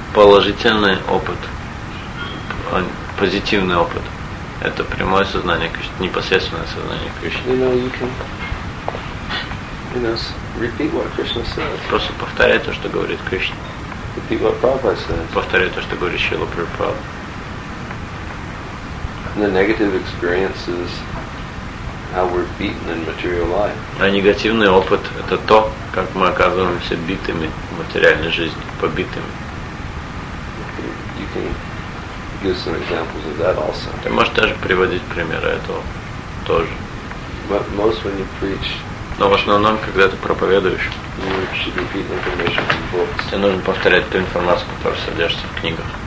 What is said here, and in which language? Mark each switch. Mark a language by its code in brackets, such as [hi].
[ru] Положительный опыт, позитивный опыт, это прямое сознание Кришны, непосредственное сознание Кришны. [en] You know, you can, you know, repeat what Krishna says. [ru] Просто повторяй то, что говорит Кришна. [en] Repeat what Prabhupada says. [ru] Повторяй то, что говорит Шрила Прабхупада. [en] The negative experience is how we're beaten in material life. [ru] А негативный опыт – это то, как мы оказываемся битыми в материальной жизни, побитыми. [en] You can give some examples of that also. [ru] Ты можешь даже приводить примеры этого тоже. [en] But most when you preach, [ru] но в основном, когда ты проповедуешь, [en] you should repeat information from books. [ru] Тебе нужно повторять ту информацию, которая содержится в книгах.